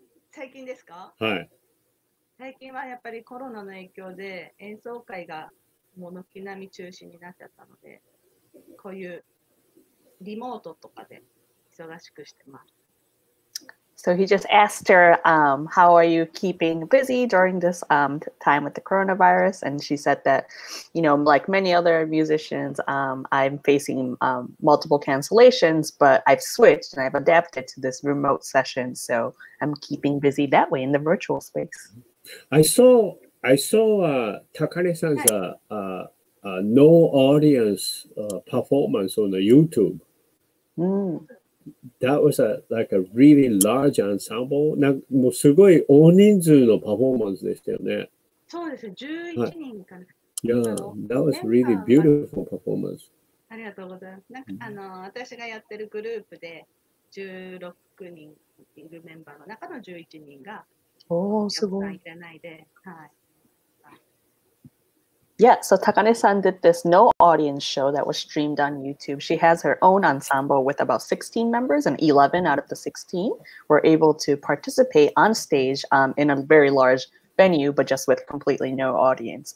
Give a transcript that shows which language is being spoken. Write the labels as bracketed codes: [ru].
[ja] 最近ですか。はい、最近はやっぱりコロナの影響で演奏会がもう軒並み中止になっちゃったので、こういうリモートとかで忙しくしてます。 [en] So he just asked her, how are you keeping busy during this time with the coronavirus? And she said that, you know, like many other musicians, I'm facing multiple cancellations, but I've switched and I've adapted to this remote session. So I'm keeping busy that way in the virtual space. I saw Takane-san's no audience performance on the YouTube. That was a really large ensemble. [ja] なんかもうすごい大人数のパフォーマンスでしたよね。そうです、11人かな。 [en] Yeah, that was really beautiful performance. [ja] ありがとうございます。なんか私がやってるグループで16人いるメンバーの中の11人が。 [en] Yeah, so Takane-san did this no audience show that was streamed on YouTube. She has her own ensemble with about 16 members, and 11 out of the 16 were able to participate on stage in a very large venue, but just with completely no audience.